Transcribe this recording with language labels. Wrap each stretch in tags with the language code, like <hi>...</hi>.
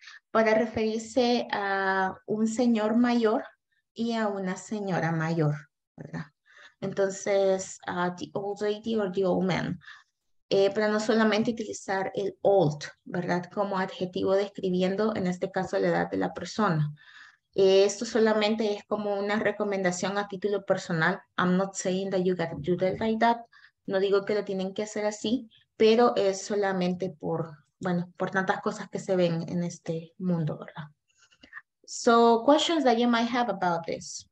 <es>Para referirse a un señor mayor y a una señora mayor, ¿verdad? Entonces,</es> <en>the old lady or the old man.</en> <es>Para no solamente utilizar el old, ¿verdad? Como adjetivo describiendo, en este caso, la edad de la persona. Esto solamente es como una recomendación a título personal.</es> <en>I'm not saying that you gotta do that like that.</en> <es>No digo que lo tienen que hacer así, pero es solamente por, bueno, por tantas cosas que se ven en este mundo, ¿verdad?</es> <en>So, questions that you might have about this.</en>